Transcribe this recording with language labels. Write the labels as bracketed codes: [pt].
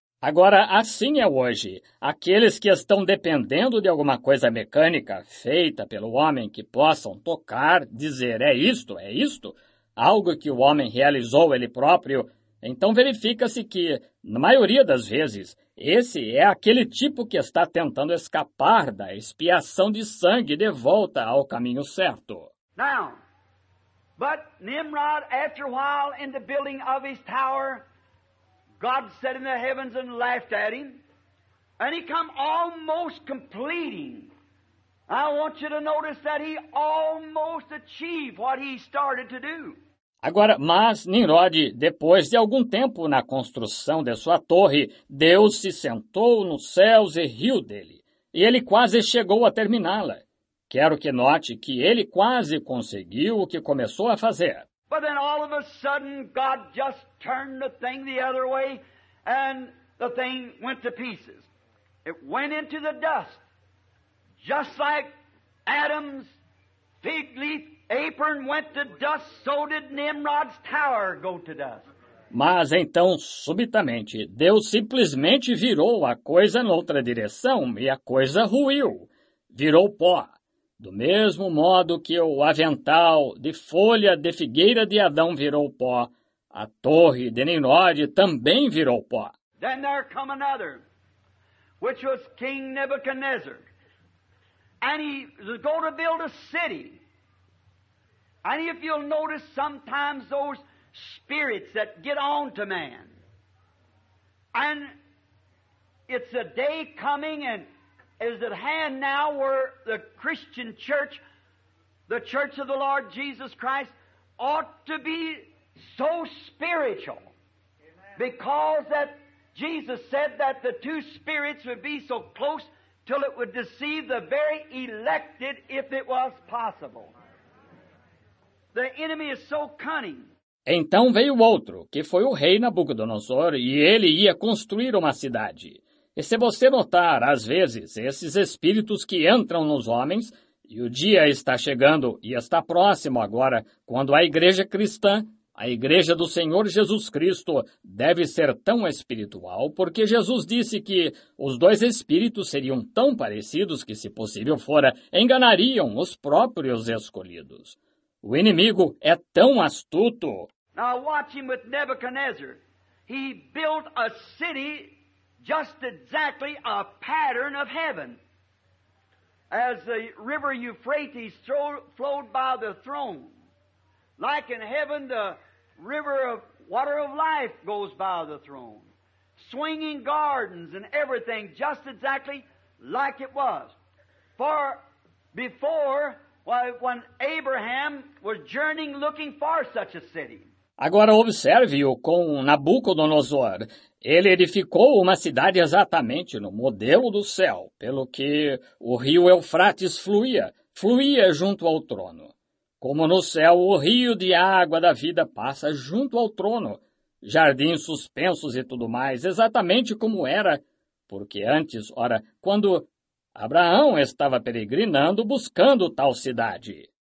[pt] Agora, assim é hoje. Aqueles que estão dependendo de alguma coisa mecânica feita pelo homem que possam tocar, dizer, é isto, algo que o homem realizou ele próprio, então verifica-se que, na maioria das vezes, esse é aquele tipo que está tentando escapar da expiação de sangue de volta ao caminho certo. [en] Now, but Nimrod, after a while in the building of his tower, God sat in the heavens and laughed at him. And he come almost completing. I want you to notice that he almost achieved what he started to do. [pt] Agora, mas Nimrod, depois de algum tempo na construção de sua torre, Deus se sentou nos céus e riu dele, e ele quase chegou a terminá-la. Quero que note que ele quase conseguiu o que começou a fazer. [en] But then all of a sudden God just turned the thing the other way and the thing went to pieces. It went into the dust. Just like Adam's fig leaf apron went to dust, so did Nimrod's tower go to dust. [pt] Mas então, subitamente, Deus simplesmente virou a coisa noutra direção e a coisa ruiu. Virou pó. Do mesmo modo que o avental de folha de figueira de Adão virou pó, a torre de Nimrod também virou pó. [en] Then there come another, which was King Nebuchadnezzar. And he was going to build a city. And if you'll notice, sometimes those spirits that get on to man. And it's a day coming and is at hand now where the Christian church, the church of the Lord Jesus Christ, ought to be so spiritual. Amen. Because that Jesus said that the two spirits would be so close till it would deceive the very elected if it was possible. The enemy is so cunning. [pt] Então veio outro, que foi o rei Nabucodonosor, e ele ia construir uma cidade. E se você notar, às vezes, esses espíritos que entram nos homens, e o dia está chegando e está próximo agora, quando a igreja cristã, a igreja do Senhor Jesus Cristo, deve ser tão espiritual, porque Jesus disse que os dois espíritos seriam tão parecidos que, se possível fora, enganariam os próprios escolhidos. O inimigo é tão astuto. [en] Now watch him with Nebuchadnezzar. He built a city just exactly a pattern of heaven. As the river Euphrates flowed by the throne. Like in heaven the river of water of life goes by the throne. Swinging gardens and everything just exactly like it was. For before, when Abraham was journeying looking for such a city. [pt] Agora observe-o com Nabucodonosor. Ele edificou uma cidade exatamente no modelo do céu, pelo que o rio Eufrates fluía junto ao trono. Como no céu o rio de água da vida passa junto ao trono, jardins suspensos e tudo mais, exatamente como era, porque antes, ora, quando Abraão estava peregrinando buscando tal cidade.